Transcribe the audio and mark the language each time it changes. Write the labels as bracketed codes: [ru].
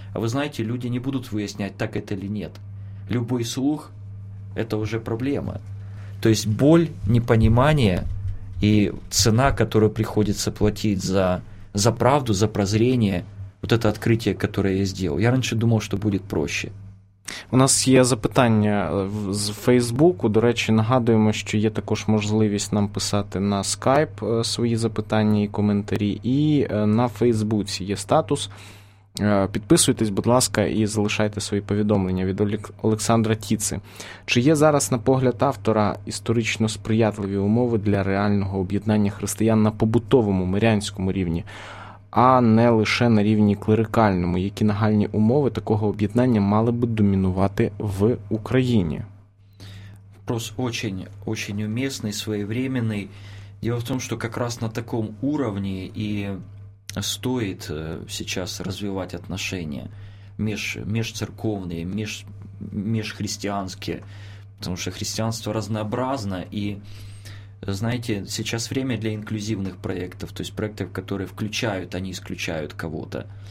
[ru] А вы знаете, люди не будут выяснять, так это или нет. Любой слух – это уже проблема. То есть боль, непонимание и цена, которую приходится платить за правду, за прозрение, вот это открытие, которое я сделал. Я раньше думал, что будет проще. [uk] У нас є запитання з Фейсбуку. До речі, нагадуємо, що є також можливість нам писати на Скайп свої запитання і коментарі. І на Фейсбуці є статус. Підписуйтесь, будь ласка, і залишайте свої повідомлення від Олександра Тіци. Чи є зараз, на погляд автора, історично сприятливі умови для реального об'єднання християн на побутовому, мирянському рівні? А не лише на рівні клерикальному, які нагальні умови такого об'єднання мали би домінувати в Україні? [ru] Вопрос очень уместный, своевременный. Дело в том, что как раз [uk] на такому уровні і [ru] стоит сейчас развивать отношения межцерковные, межхристианские, потому что христианство разнообразно и знаете, сейчас время для инклюзивных проектов, то есть проектов, которые включают, а не исключают кого-то.